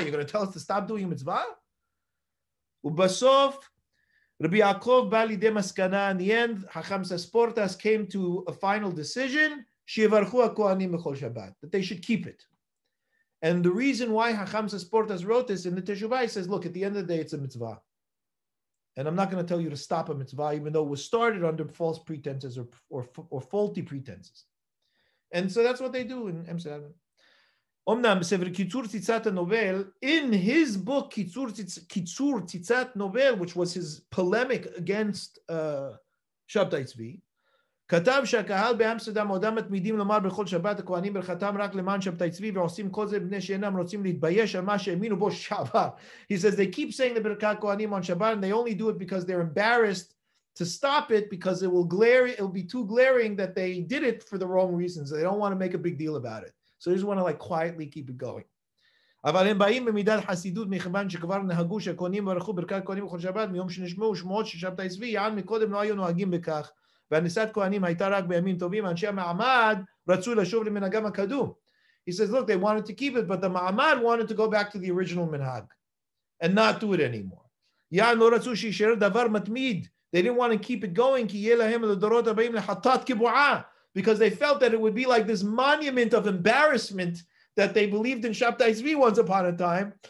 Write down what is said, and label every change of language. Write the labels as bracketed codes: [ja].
[en] You're going to tell us to stop doing a mitzvah? Ubasof, Rabbi Yaakov Bali De Maskana, in the end, Hakham Sasportas came to a final decision, [he] Shivarchu HaKohanim B'chol Shabbat, [en] that they should keep it. And the reason why Hakham Sasportas wrote this in the Teshuvah, he says, look, at the end of the day, it's a mitzvah. And I'm not going to tell you to stop a mitzvah, even though it was started under false pretenses or faulty pretenses. And so that's what they do in Emsadam. [he] Omnam sever kitzur tzitzat novel, [en] in his book, Kitzur Tzitzat Novel, which was his polemic against Shabtai Tzvi, [he] כתב שהקהל באמסטרדם עודם מתמידים לומר בכל שבת הכהנים ברכתם רק למען שבתאי צבי ועושים כל זה בני שאינם רוצים להתבייש על מה שהאמינו בו שעבר. [en] He says they keep saying the ברכת כהנים on Shabbat and they only do it because they're embarrassed to stop it because it will glare, it will be too glaring that they did it for the wrong reasons. They don't want to make a big deal about it. So they just want to like quietly keep it going. [he] אבל הם באים במידת חסידות מכיוון שכבר נהגו שהכהנים ברכו ברכת כהנים בכל שבת מיום שנשמעו שמועות ששבתאי צבי יען מקודם לא היו נוהגים בכך. [en] He says, look, they wanted to keep it, but the Ma'amad wanted to go back to the original Minhag and not do it anymore. They didn't want to keep it going because they felt that it would be like this monument of embarrassment that they believed in Shabtai Zvi once upon a time.